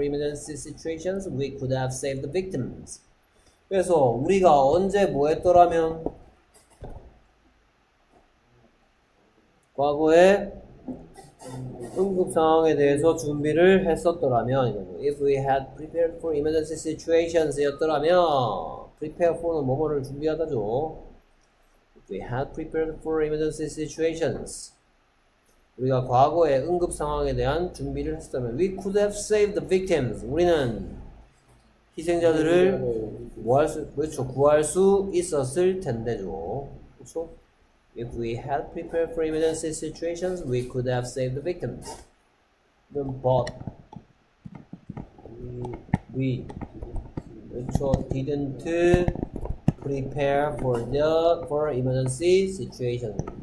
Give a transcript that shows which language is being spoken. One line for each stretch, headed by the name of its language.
Korean: 라고 했죠.
English: If we had prepared for emergency situations, we could have saved the victims.
Korean: 그래서 우리가 언제 뭐 했더라면 과거에 응급 상황에 대해서 준비를 했었더라면 이거죠.
English: If we had prepared for emergency situations
Korean: 였더라면
English: prepare for는
Korean: 뭐뭐를 준비하다죠.
English: We had prepared for emergency situations.
Korean: 우리가 과거에 응급 상황에 대한 준비를 했었다면
English: We could have saved the victims.
Korean: 우리는 희생자들을 구할 수, 그렇죠, 구할 수 있었을 텐데죠. 그렇죠?
English: If we had prepared for emergency situations, we could have saved the victims. But we
Korean: 그렇죠,
English: didn't prepare for the for emergency situation.